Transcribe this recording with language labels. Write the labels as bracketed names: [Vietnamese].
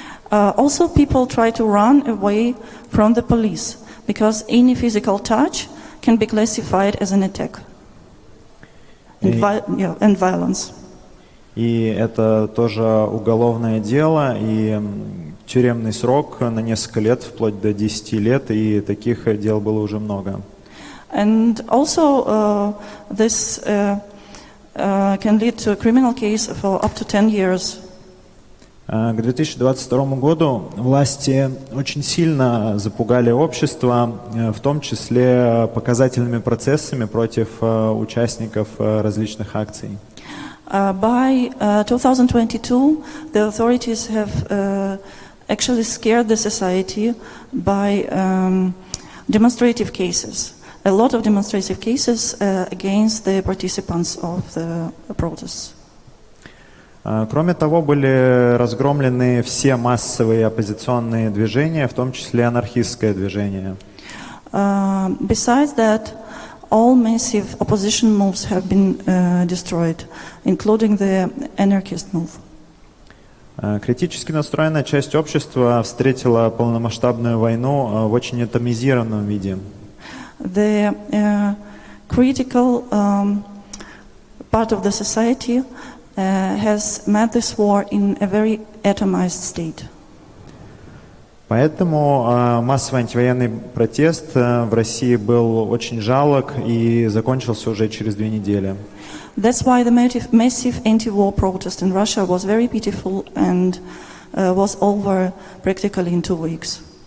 [English] Also people try to run away from the police, because any physical touch can be classified as an attack. And violence. [Russian] И это тоже уголовное дело, и тюремный срок на несколько лет, вплоть до 10 лет, и таких дел было уже много. [English] And also this can lead to a criminal case for up to 10 years. [Russian] К 2022 году власти очень сильно запугали общество, в том числе показательными процессами против участников различных акций. [English] By 2022, the authorities have actually scared the society by demonstrative cases, a lot of demonstrative cases against the participants of the protests. [Russian] Кроме того, были разгромлены все массовые оппозиционные движения, в том числе анархистское движение. [English] Besides that, all massive opposition moves have been destroyed, including the anarchist move. [Russian] Критически настроенная часть общества встретила полномасштабную войну в очень атомизированном виде. [English] The critical part of the society has met this war in a very atomized state. [Russian] Поэтому массовый антивоенный протест в России был очень жалок и закончился уже через две недели. [English] That's why the massive anti-war protest in Russia was very pitiful and was over practically in 2 weeks.